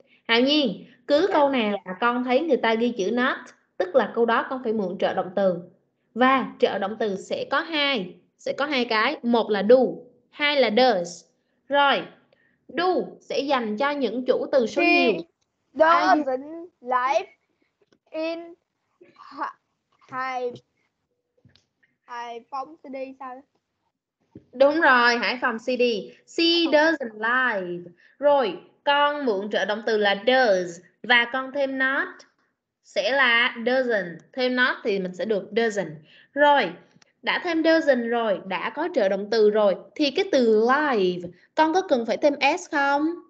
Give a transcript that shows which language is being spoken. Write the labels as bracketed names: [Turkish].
[Vietnamese] Hạo Nhiên, cứ câu nào là con thấy người ta ghi chữ not, tức là câu đó con phải mượn trợ động từ. Và trợ động từ sẽ có hai cái, một là do, hai là does. Rồi, do sẽ dành cho những chủ từ số nhiều. [English] He doesn't live in Hải Phòng City [Vietnamese] sao? Đúng rồi, Hải Phòng City. [English] She doesn't live. [Vietnamese] Rồi, con mượn trợ động từ là does và con thêm not sẽ là doesn't. Thêm not thì mình sẽ được doesn't. Rồi, đã thêm doesn't rồi, đã có trợ động từ rồi thì cái từ live con có cần phải thêm s không?